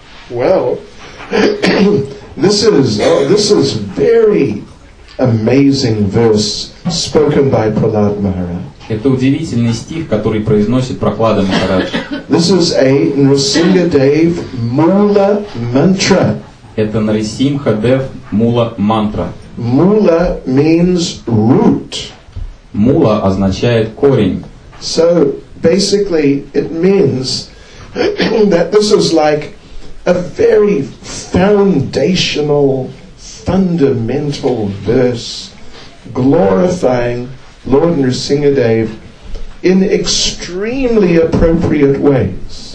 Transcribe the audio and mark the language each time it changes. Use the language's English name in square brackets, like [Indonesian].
[English] Well, this is very amazing verse spoken by Prahlad Maharaj. [Russian] Это удивительный стих, который произносит Прахлада Махарадж. [English] This is a Нарисимхадев Мула Мантра. [Russian] Это Нарисимхадев Мула Мантра. [English] Мула means root. [Russian] Мула означает корень. [English] So basically it means that this is like a very foundational, fundamental verse glorifying Lord Nrsimhadev in extremely appropriate ways.